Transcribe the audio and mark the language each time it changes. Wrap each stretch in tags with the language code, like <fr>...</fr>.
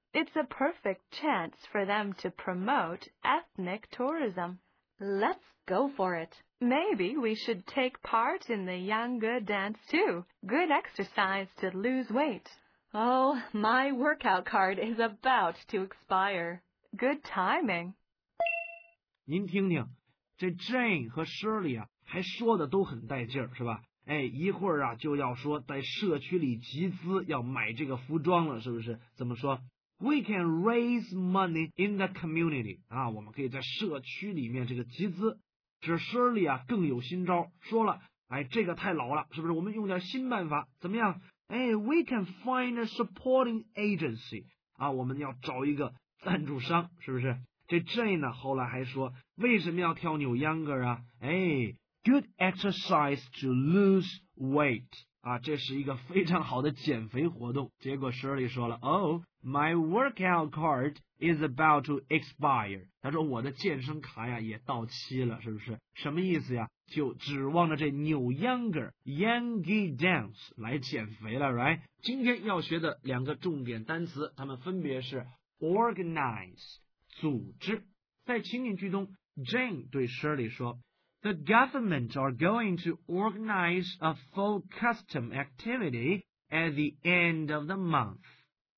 <en>It's a perfect chance for them to promote ethnic tourism. Let's go for it. Maybe we should take part in the Yanga dance too. Good exercise to lose weight. Oh, my workout card is about to expire. Good timing.</en> <zh>您听听，这 Jane 和 Shirley 啊，还说的都很带劲儿，是吧？哎，一会儿啊就要说在社区里集资要买这个服装了，是不是？怎么说</zh> <en>？We can raise money in the community.</en> <zh>啊，我们可以在社区里面这个集资。这 Shirley 啊更有新招，说了，哎，这个太老了，是不是？我们用点新办法，怎么样？哎 ，</zh> <en>we can find a supporting agency</en> <zh>啊，我们要找一个赞助商，是不是？这 Jane 呢，后来还说，为什么要跳New Younger啊？哎 ，</zh> <en>good exercise to lose weight</en> <zh>啊，这是一个非常好的减肥活动。结果</zh> <en>Shirley 说了 ，Oh, my workout card is about to expire。</en> <zh>他说我的健身卡呀也到期了，是不是？什么意思呀？就指望着这 New Younger Yangi Dance 来减肥了 ，right？今天要学的两个重点单词，它们分别是 organize 组织。在情景剧中</zh> <en>，Jane 对 Shirley 说 ：“The government are going to organize a full custom activity at the end of the month。”</en>